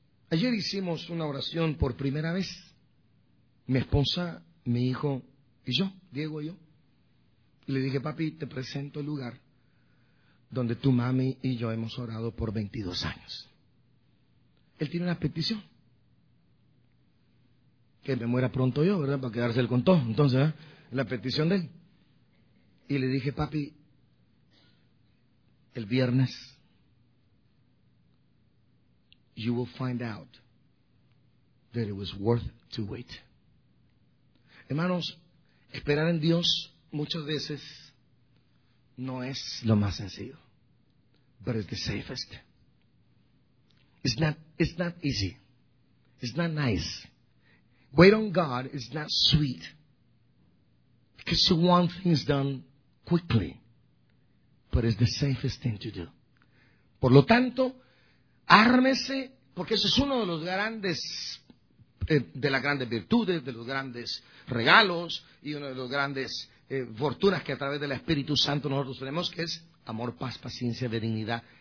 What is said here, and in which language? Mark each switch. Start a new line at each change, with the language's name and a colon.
Spanish: Ayer hicimos una oración por primera vez. Mi esposa, mi hijo y yo, Diego y yo, y le dije, papi, te presento el lugar donde tu mami y yo hemos orado por 22 años. Él tiene una petición, que me muera pronto yo, ¿verdad?, para quedarse él con todo. Entonces, la petición de él. Y le dije, papi, el viernes,
English: you will find out that it was worth to wait.
Spanish: Hermanos, esperar en Dios muchas veces no es lo más sencillo,
English: but it's the safest. It's not easy. It's not nice. Wait on God is not sweet. Because you want things done quickly. But it's the safest thing to do.
Spanish: Por lo tanto, ármese, porque eso es uno de los grandes, de las grandes virtudes, de los grandes regalos, y uno de los grandes fortunas que a través del Espíritu Santo nosotros tenemos, que es amor, paz, paciencia, benignidad.